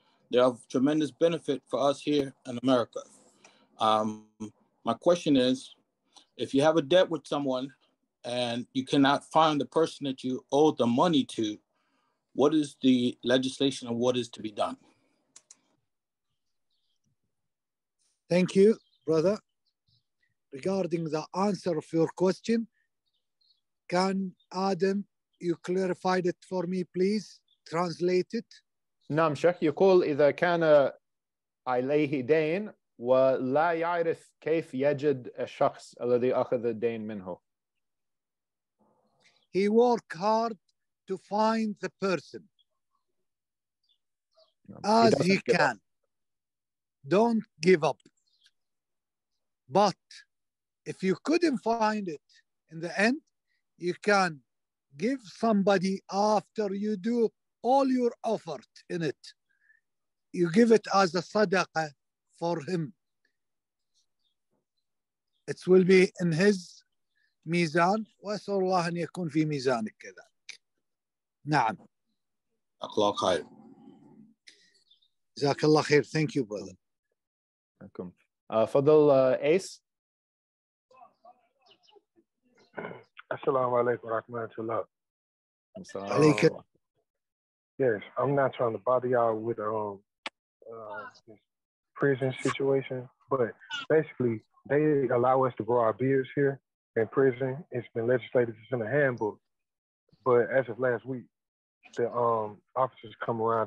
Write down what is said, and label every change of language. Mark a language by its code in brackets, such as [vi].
[en] They're of tremendous benefit for us here in America. My question is, if you have a debt with someone and you cannot find the person that you owe the money to, what is the legislation and what is to be done? Thank you, brother. Regarding the answer of your question, can Adam, you clarified it for me, please translate it. [ar] نعم شيخ يقول إذا كان عليه دين ولا يعرف كيف يجد الشخص الذي أخذ الدين منه. [en] He worked hard to find the person. As he can. Don't give up. But if you couldn't find it in the end, you can give somebody after you do all your effort in it. You give it as a sadaqah for him. It will be in his mizan. [ar] وَأَسْأَلُ اللَّهَ أَنْ يَكُنْ فِي مِيزَانِكَ كَذَلِكَ. نعم. أخلاق خير. جزاك الله خير. [en] Thank you, brother. أكم. فضل أيس. [ar] السلام عليكم ورحمة الله. السلام عليكم. [en] Yes, I'm not trying to bother y'all with this prison situation. But basically, they allow us to grow our beards here in prison. It's been legislated. It's in the handbook. But as of last week, the officers come around.